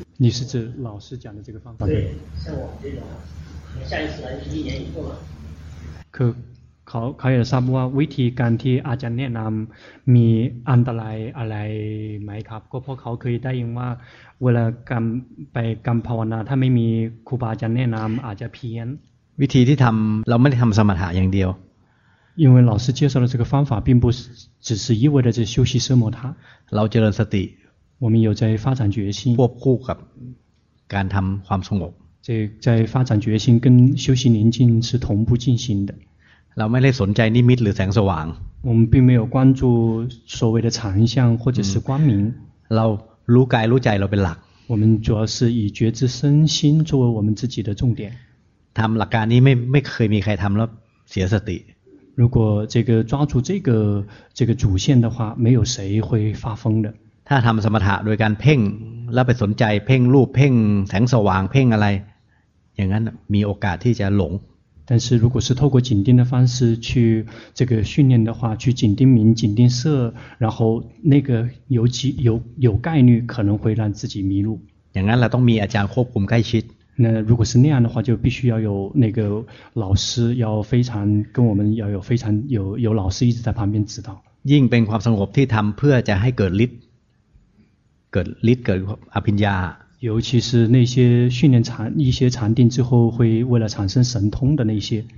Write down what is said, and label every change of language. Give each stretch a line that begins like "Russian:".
Chinese: 你是指老师讲的这个方法？对，像我这种，下一次来就是一年以后了。
Thai: คือเขาเขาอยากทราบว่าวิธีการที่อาจารย์แนะนำมีอันตรายอะไรไหมครับก็เพราะเขาเคยได้ยินว่าเวลากำไปกำภาวนาถ้าไม่มีครูบาอาจารย์แนะนำอาจจะเพี้ยน วิธีที่ทำเราไม่ได้ทำสมถะอย่างเดียว
Chinese: 因为老师介绍的这个方法并不只是意味着在修习奢摩他
Thai: เราเจริญสติ
Chinese: 我们有在发展决心
Thai: ควบคู่กับการทำความสงบ
Chinese: 在发展决心跟修习宁静是同步进行的
Thai: เราไม่ได้สนใจนิมิตหรือแสงสว่าง
Chinese: 我们并没有关注所谓的禅相或者是光明
Thai: เรารู้กายรู้ใจเราเป็นหลัก
Chinese: 我们主要是以觉知身心作为我们自己的重点
Thai: ทำหลักการนี้ไม่เคยมีใครทำแล้วเสียสติ
Chinese: 如果这个抓住这个主线的话，没有谁会发疯的。
Thai: ถ้าทำสมถะโดยการเพ่งแล้วไปสนใจเพ่งรูปเพ่งแสงสว่างเพ่งอะไรอย่างนั้นมีโอกาสที่จะหลง。
Chinese: 但是如果是透过紧盯的方式去这个训练的话，去紧盯明、紧盯色，然后那个有概率可能会让自己迷路。
Thai: อย่างนั้นเราต้องมีอาจารย์ควบคุมใกล้ชิด。
Chinese: 那如果是那样的话，就必须要有那个老师，要非常跟我们要有非常有老师一直在旁边指导。
Thai: ยิ่งเป็นความสงบที่ทำเพื่อจะให้เกิดฤทธิ์เกิดอภิญญา。
Chinese: 尤其是那些训练禅一些禅定之后，会为了产生神通的那些，